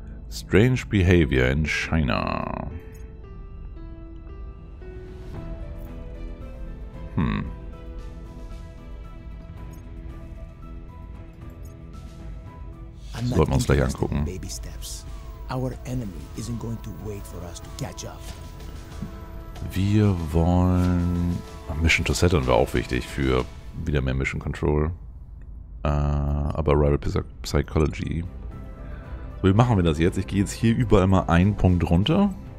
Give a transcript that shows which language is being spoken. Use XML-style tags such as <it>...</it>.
<en>Strange Behavior in China.</en> <de>Sollten wir uns gleich angucken.</de> <en>Baby steps. Our enemy isn't going to wait for us to catch up.</en> <de>Wir wollen... Mission to Saturn war auch wichtig für wieder mehr Mission Control. Aber Rival Psychology. So, wie machen wir das jetzt? Ich gehe jetzt hier überall mal einen Punkt runter.</de>